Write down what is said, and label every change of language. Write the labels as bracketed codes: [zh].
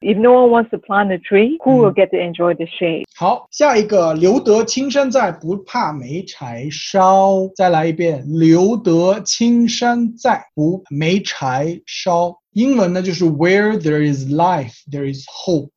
[en] If no one wants to plant the tree, who will get to enjoy the shade? [zh] 好，下一个，留得青山在，不怕没柴烧。再来一遍，留得青山在，不没柴烧。英文呢就是 [en] where there is life, there is hope。